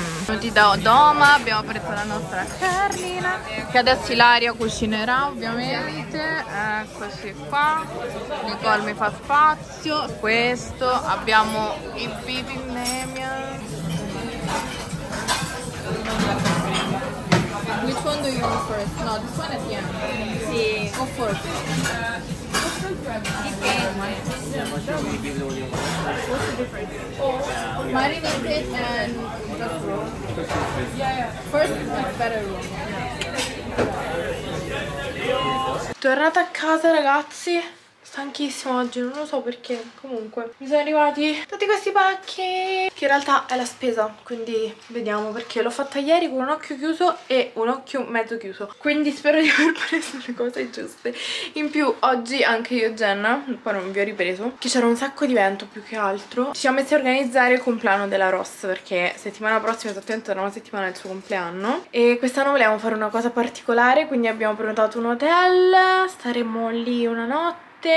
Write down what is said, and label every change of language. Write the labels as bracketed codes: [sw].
[it] Oggi da Odoma abbiamo preso la nostra carlina, che adesso Ilaria cucinerà ovviamente. Eccoci qua. Nicole mi fa spazio. Questo abbiamo il bibi Nemia. [en] Which one do you want first? No, this one at the end. [it] Sì. [en] Go first. What's the difference? Marinated and just raw. Yeah. First is much better raw. [it] Tornata a casa, ragazzi. Stanchissimo oggi, non lo so perché. Comunque, mi sono arrivati tutti questi pacchi, che in realtà è la spesa, quindi vediamo, perché l'ho fatta ieri con un occhio chiuso e un occhio mezzo chiuso, quindi spero di aver preso le cose giuste. In più oggi anche io e Jenna, poi non vi ho ripreso, che c'era un sacco di vento più che altro, ci siamo messi a organizzare il compleanno della Ross, perché settimana prossima, esattamente tra una settimana, è il suo compleanno e quest'anno volevamo fare una cosa particolare, quindi abbiamo prenotato un hotel, staremo lì una notte.